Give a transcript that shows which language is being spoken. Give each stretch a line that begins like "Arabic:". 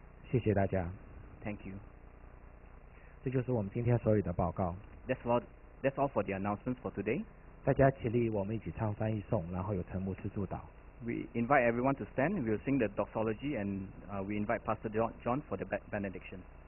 Chinese: 谢谢大家。
English: Thank you.
Chinese: 这就是我们今天所有的报告。
English: That's all for the announcements for today.
Chinese: 大家起立，我们一起唱翻译颂，然后由陈牧师祝祷。
English: We invite everyone to stand. We'll sing the doxology and we invite Pastor John for the benediction.